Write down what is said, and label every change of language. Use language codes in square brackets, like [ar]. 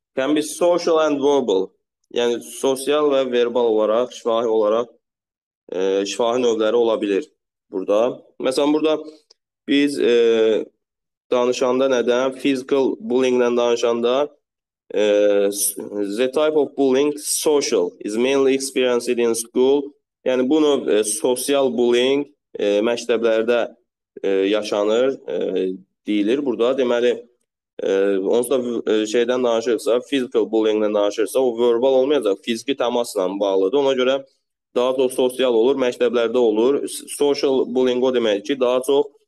[en] Can be social and verbal. [az] Yəni, sosial və verbal olaraq, şifahi olaraq, şifahi növləri ola bilir burada. Məsələn, burada biz danışanda nədən? [en] Physical bullying [az] ilə danışanda [en] the type of bullying social is mainly experienced in school. [az] Yəni, bunu sosial bullying məktəblərdə yaşanır deyilir burada. Deməli, onsuz da şeydən danışırsa, physical bullying-dən danışırsa, o verbal olmayacaq, fiziki təmasla bağlıdır. Ona görə daha çox sosial olur, məktəblərdə olur. Social bullying o deməkdir ki, daha çox